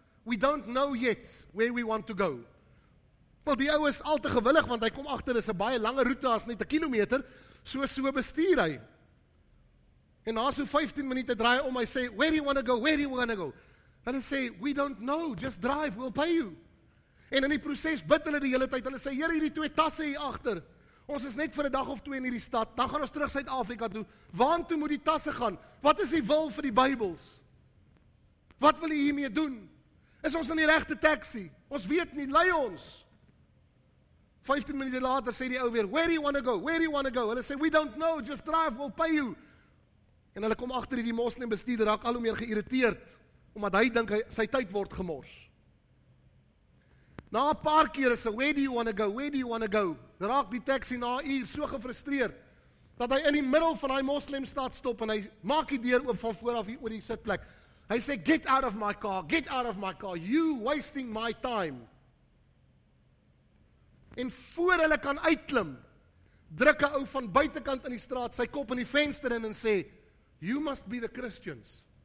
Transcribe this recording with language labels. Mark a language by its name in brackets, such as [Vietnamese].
[English] We don't know yet where we want to go. [Afrikaans] Wel, die ou is al te gewillig, want hy kom achter, is 'n baie lange route, as net 'n kilometer, so bestuur hy. En na so 15 minute draai om, hy sê, [English] where do you want to go, where do you want to go? [Afrikaans] En hy sê, [English] we don't know, just drive, we'll pay you. [Afrikaans] En in die proces bid hulle die hele tyd, hulle sê, hier hierdie twee tasse hier achter, ons is net vir 'n dag of twee in hierdie stad, dan gaan ons terug Suid-Afrika toe, waantoe moet die tasse gaan? Wat is die wil vir die Bybels? Wat wil hy hiermee doen? Is ons in die regte taxi? Ons weet nie, lei ons. 15 minute later sê die ou weer, [English] where do you want to go, where do you want to go? [Afrikaans] Hulle sê, [English] we don't know, just drive, we'll pay you. [Afrikaans] En hulle kom achter die moslim bestuurder, raak al hoe meer geïrriteerd, omdat hy dink sy tyd word gemors. Na 'n paar keer is hy, [English] where do you want to go, where do you want to go? [Afrikaans] Raak die taxi na uur so gefrustreerd, dat hy in die middel van die moslim staat stop, en hy maak die deur oop van vooraf oor die sitplek. Hy sê, [English] get out of my car, get out of my car, you wasting my time. [Afrikaans] En voor hulle kan uitklim, druk 'n ou van buitenkant in die straat, sy kop in die venster in en sê, [English] you must be the Christians.